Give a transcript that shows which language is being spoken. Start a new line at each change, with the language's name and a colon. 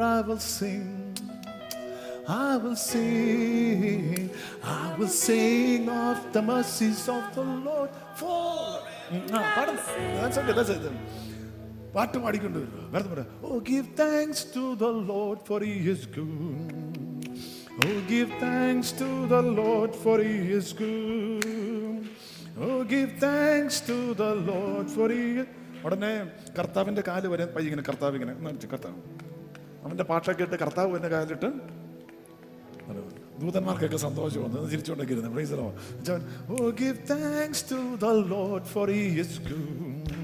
English: I will sing of the mercies of the Lord forever. That's okay, that's it.
Malayalam: പാട്ട് പാടിക്കൊണ്ട് വരുക. വേറെ പറയാ,
English: oh give thanks to the Lord for he is good. Oh, give thanks to the Lord, for he is good. Oh, give thanks to the Lord, for he is good.
Malayalam: ഉടനെ കർത്താവിന്റെ കാല് വരെ pi ഇങ്ങനെ കർത്താവ് ഇങ്ങനെ കർത്താവ് അവന്റെ പാട്ട കേട്ട് കർത്താവ് എന്റെ കാലിട്ട് ദൂതന്മാർക്കൊക്കെ സന്തോഷം വന്നു ചിരിച്ചുകൊണ്ടിരിക്കുന്നു.
English: Praise the Lord. Oh give thanks to the Lord for he is good.